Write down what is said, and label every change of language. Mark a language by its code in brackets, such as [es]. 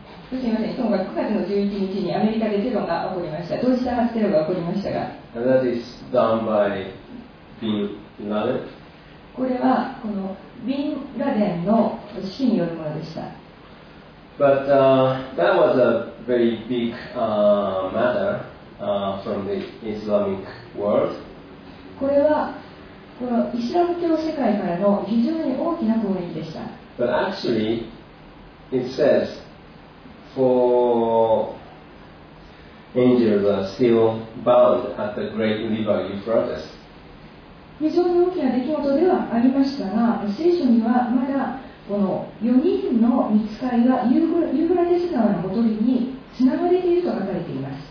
[ja] 9月の11日にアメリカでテロが起こりました。同時多発テロが起こりましたが。 [en] And that is done by Bin Laden. [ja] これはこのビンラデンの指揮によるものでした。 [en] But that was a very big matter from the Islamic world. [ja] これはこのイスラム教世界からの非常に大きな攻撃でした。 [en] But actually, it says. For angels are still bound at the great river Euphrates. [ja] 非常に大きな出来事ではありましたが、聖書にはまだこの4人の御使いはユーフラテス川のほとりにつながれていると書かれています。